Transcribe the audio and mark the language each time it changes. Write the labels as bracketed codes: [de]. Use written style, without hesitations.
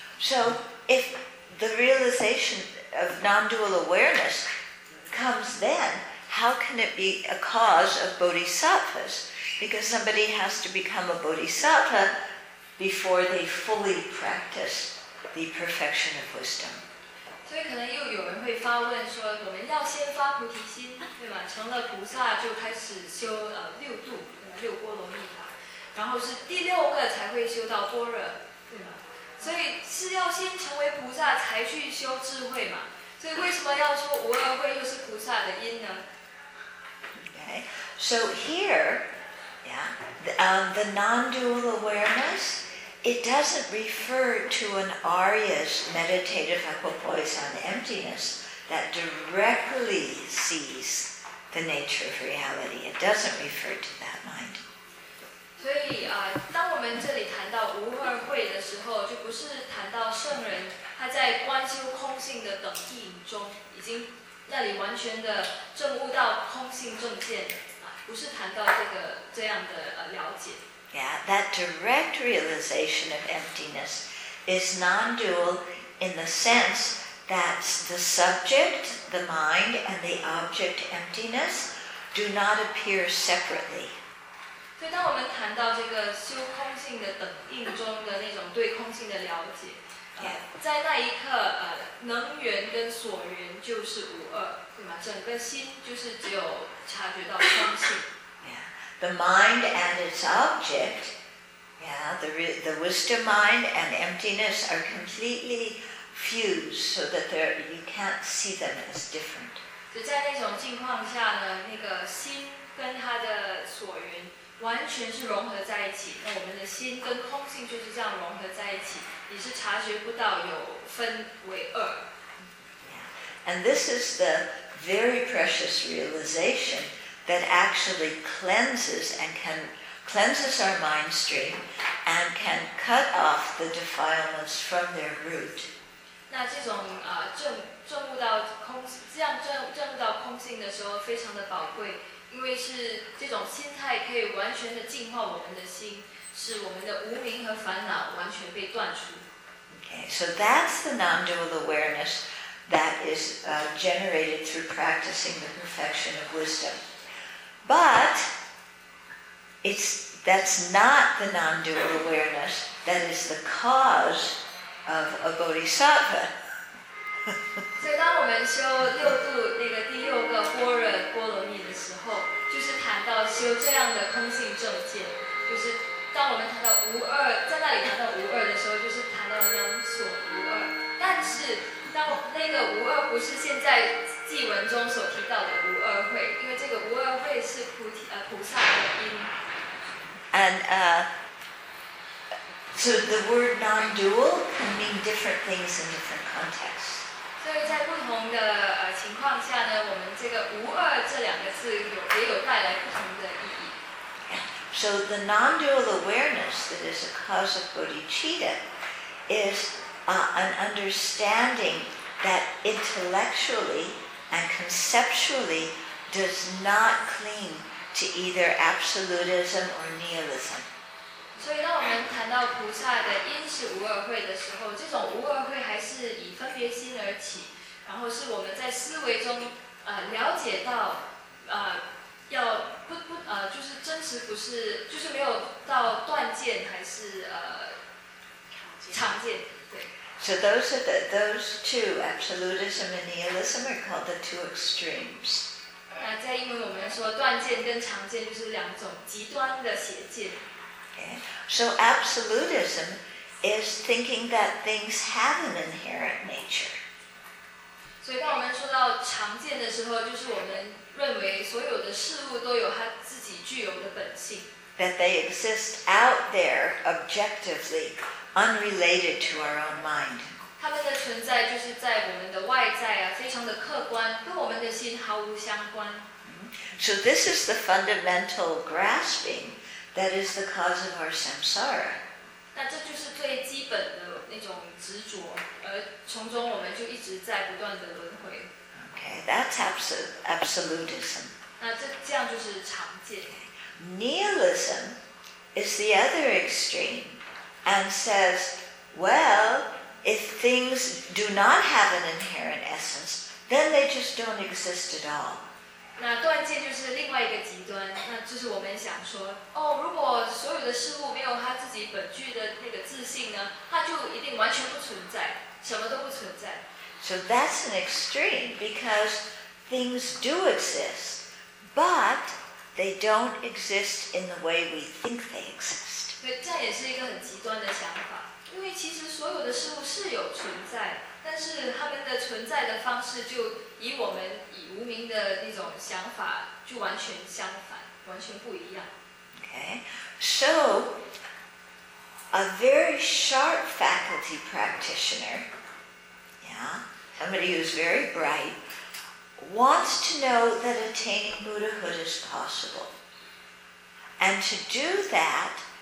[en] So if the realization of non-dual awareness comes then, how can it be a cause of bodhisattvas? Because somebody has to become a bodhisattva before they fully practice the perfection of wisdom. [zh] 所以可能又有人会发问说，我们要先发菩提心，对吗？成了菩萨就开始修六度，六波罗蜜法，然后是第六个才会修到般若，对吗？所以是要先成为菩萨才去修智慧嘛？所以为什么要说无二慧又是菩萨的因呢 [en] ？Okay, so here, yeah, the non-dual awareness. It doesn't refer to an Arya's meditative equipoise on emptiness that directly sees the nature of reality. It doesn't refer to that mind. [zh] 所以当我们这里谈到无二慧的时候，就不是谈到圣人他在观修空性的等谛中已经那里完全的证悟到空性正见，不是谈到这样的了解。 [en] Yeah, that direct realization of emptiness is non-dual in the sense that the subject, the mind, and the object emptiness do not appear separately. [zh] 所以当我们谈到这个修空性的等应中的那种对空性的了解、 yeah. 在那一刻能源跟所缘就是无二，对吗？整个心就是只有察觉到空性。 [en] The mind and its object, yeah, the wisdom mind and emptiness are completely fused so that you can't see them as different. [zh] 就在那种境况下呢，那个心跟它的所缘完全是融合在一起，那我们的心跟空性就是这样融合在一起，你是察觉不到有分为二。 [en] Yeah. And this is the very precious realization. That actually cleanses our mind stream and can cut off the defilements from their root. [zh] 那这种证悟到空性的时候非常的宝贵，因为是这种心态可以完全的净化我们的心，使我们的无明和烦恼完全被断除。 [en] Okay, so that's the non-dual awareness that is generated through practicing the perfection of wisdom. But that's not the non-dual awareness that is the cause of a bodhisattva. [zh] 所以当我们修六度那个第六个般若波罗蜜的时候，就是谈到修这样的空性正见，就是当我们谈到无二，在那里谈到无二的时候，就是谈到能所无二。但是当那个无二不是现在记文中所提到的无二慧，因为这个无二慧是菩萨的因。 [en] And so the word non-dual can mean different things in different contexts. [zh] 所以在不同的情况下呢，我们这个无二这两个字也有带来不同的意义。 [en] So the non-dual awareness that is a cause of bodhicitta is an understanding that intellectually and conceptually does not cling to either absolutism or nihilism. [zh] 所以当我们谈到菩萨的因是无二慧的时候，这种无二慧还是以分别心而起，然后是我们在思维中了解到要不就是真实不是，就是没有到断见还是常见。 [en] So those two, absolutism and nihilism, are called the two extremes. [zh] 那在英文我们说断见跟常见就是两种极端的邪见。 [en] So absolutism is thinking that things have an inherent nature. [zh] 所以当我们说到常见的时候，就是我们认为所有的事物都有它自己具有的本性。 [en] That they exist out there objectively. Unrelated to our own mind. [zh] 他们的存在就是在我们的外在啊，非常的客观，跟我们的心毫无相关。 [en] So this is the fundamental grasping that is the cause of our samsara. [zh] 那这就是最基本的那种执着，而从中我们就一直在不断的轮回。 [en] Okay, that's absolutism. [zh] 那这样就是常见。 [en] Nihilism is the other extreme. And says, well, if things do not have an inherent essence, then they just don't exist at all. [zh] 那断见就是另外一个极端，那就是我们想说，哦，如果所有的事物没有它自己本具的那个自信呢，它就一定完全不存在，什么都不存在。 [en] So that's an extreme, because things do exist, but they don't exist in the way we think they exist. [zh] 对，这也是一个很极端的想法，因为其实所有的事物是有存在，但是他们的存在的方式就以我们以无明的那种想法就完全相反，完全不一样。 [en] Okay, so a very sharp faculty practitioner, yeah, somebody who's very bright, wants to know that attaining Buddhahood is possible, and to do that.